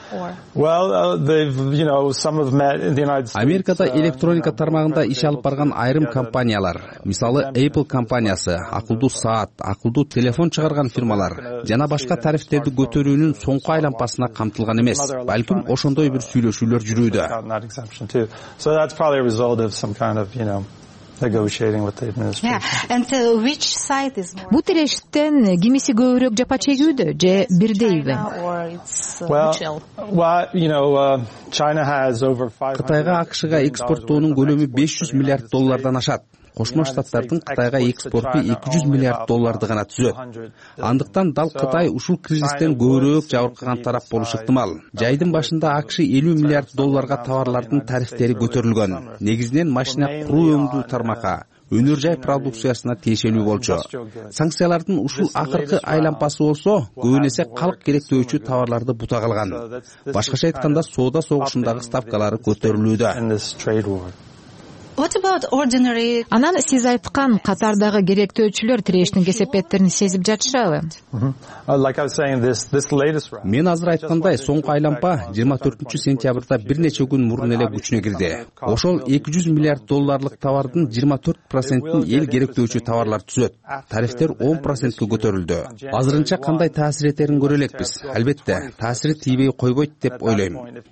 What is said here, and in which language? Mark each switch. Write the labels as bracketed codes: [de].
[ky] Америкада электроника тармагында иш алып барган айрым компаниялар, мисалы Apple компаниясы, акылдуу саат, акылдуу телефон чыгарган фирмалар жана башка тарифтерди көтөрүүнүн соңку айлампасына камтылган эмес, балким ошондой бир сүйлөшүүлөр жүрүүдө. [en] So that's probably a result of some kind of, you know, negotiating with the administration. Yeah. And which side is more? [ky] Бул терештен кимиси көбүрөөк жапа чегүүдө же бирдейби? [en] China has over 500. [ky] Кытайга АКШга экспорттоонун көлөмү 500 миллиард доллардан ашат. Кошмо Штаттардын Кытайга экспорту 200 миллиард долларды гана түзөт. Андыктан дал Кытай ушул кризистен көбүрөөк жабыркаган тарап болуш ыктымал. Жайдын башында АКШ 50 миллиард долларга товарлардын тарифтери көтөрүлгөн. Негизинен машина куруу өңдүү тармакка, өнөр жай продукциясына тиешелүү болчу. Санкциялардын ушул акыркы айлампасы болсо, көбүнесе калк керектөөчү товарларды бута калган. Башкача айтканда, соода согушундагы ставкалары көтөрүлүүдө. [en] What about ordinary? [ky] Анан сиз айткан Катардагы керектөөчүлөр тирештин кесепеттерин сезип жатышабы? [en] Like I was saying, this latest round. [ky] Мен азыр айткандай, соңку айлампа 24 сентябрда бир нече күн мурун эле күчүнө кирди. Ошол 200 миллиард долларлык товардын 24%ын эл керектөөчү товарлар түзөт. Тарифтер 10%ке көтөрүлдү. Азырынча кандай таасир этерин көрө элекпиз. Албетте, таасири тийбей койбойт деп ойлойм.